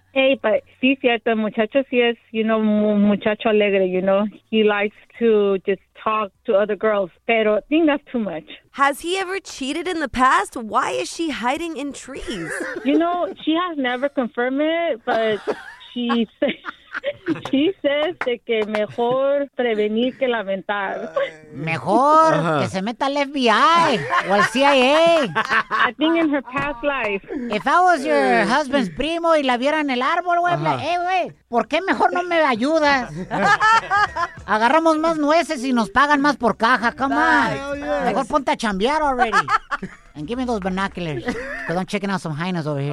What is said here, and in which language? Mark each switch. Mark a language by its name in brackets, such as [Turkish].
[Spanish] Hey, but sí, cierto, muchacho sí es, [English] you know, [Spanish] muchacho alegre, you know. [English] He likes to just talk to other girls. Pero I think that's too much. Has he ever cheated in the past? Why is she hiding in trees? You know, she has never confirmed it, but she says... She says [Spanish] que mejor prevenir que lamentar. Mejor que se meta al FBI o al CIA. [English] I think in her past life. If I was your husband's [Spanish] primo y la viera en el árbol, güey, uh-huh. Hey, güey, ¿por qué mejor no me ayudas? Agarramos más nueces y nos pagan más por caja, [English] come on. Oh, yes. [Spanish] Mejor ponte a chambear [English] already. And give me those binoculars, because I'm checking out some hyenas over here.